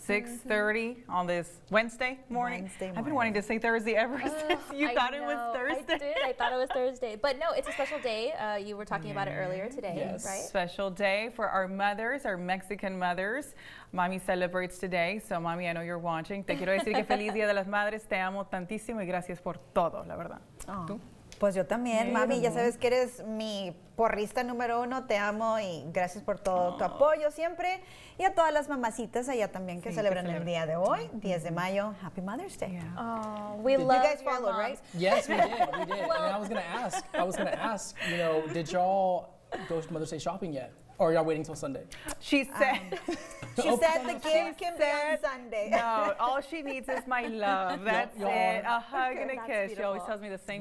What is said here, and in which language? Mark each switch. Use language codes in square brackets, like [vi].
[en] 6:30 on this Wednesday morning. I've been wanting to say Thursday ever since you thought it was Thursday. I thought it was Thursday. But no, it's a special day. You were talking about it earlier today, right? Special day for our mothers, our Mexican mothers. Mommy celebrates today, so mommy, I know you're watching. [es] Te quiero decir que feliz Día de las Madres. Te amo tantísimo y gracias por todo, la verdad. Pues yo también, mami. Ya sabes que eres mi porrista número uno. Te amo y gracias por todo tu apoyo siempre. Y a todas las mamacitas allá también que celebran el día de hoy, 10 de mayo. [en] Happy Mother's Day. Yeah. Oh, we love you guys follow, right? Yes, we did. Well, I mean, I was going to ask, you know, did y'all go to Mother's Day shopping yet? Or are y'all waiting till Sunday? She said. She said the gift can be on Sunday. No, all she needs is my love. That's it. A hug and a kiss. Beautiful. She always tells me the same